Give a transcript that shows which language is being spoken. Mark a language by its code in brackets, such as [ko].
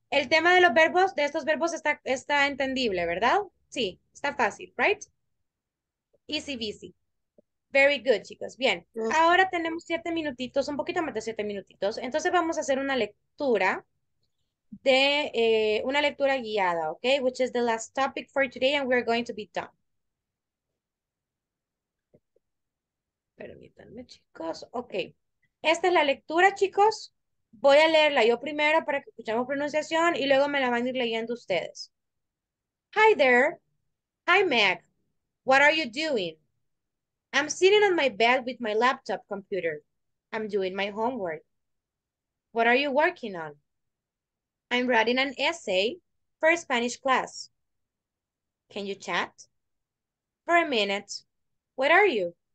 [es] El tema de los verbos, de estos verbos, está entendible, ¿verdad? Sí, está fácil, [en] right? Easy, easy. Very good, chicos. [es] Bien, ahora tenemos 7 minutitos, un poquito más de 7 minutitos. Entonces vamos a hacer una lectura de una lectura guiada, okay? [en] Which is the last topic for today, and we're going to be done. [es] Permítanme, chicos. Okay. Esta es la lectura, chicos. Voy a leerla yo primero para que escuchemos pronunciación y luego me la van a ir leyendo ustedes. [en] Hi there. Hi, Meg. What are you doing? I'm sitting on my bed with my laptop computer. I'm doing my homework. What are you working on? I'm writing an essay for a Spanish class. Can you chat? For a minute. What are you?